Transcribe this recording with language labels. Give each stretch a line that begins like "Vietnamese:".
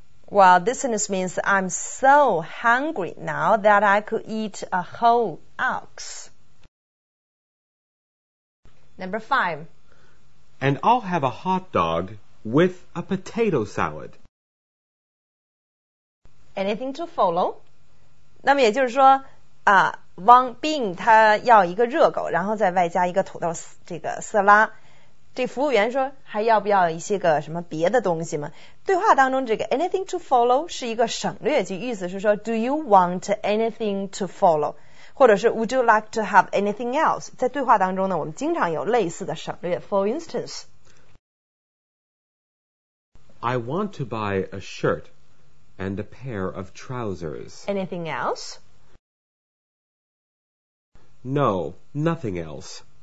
English: Well, this sentence means I'm so hungry now that I could eat a whole ox. Number five. And I'll have a hot dog with a potato salad. Anything to follow?
Chinese: 那么也就是说啊，汪斌他要一个热狗，然后再外加一个土豆这个色拉。这服务员说还要不要一些个什么别的东西吗？对话当中这个
English: anything to follow
Chinese: 是一个省略句，意思是说
English: do you want anything to follow?
Chinese: 或者是
English: would you like to have anything else?
Chinese: 在对话当中呢，我们经常有类似的省略。
English: For instance, I want to buy a shirt. And a pair of trousers. Anything else? No, nothing else.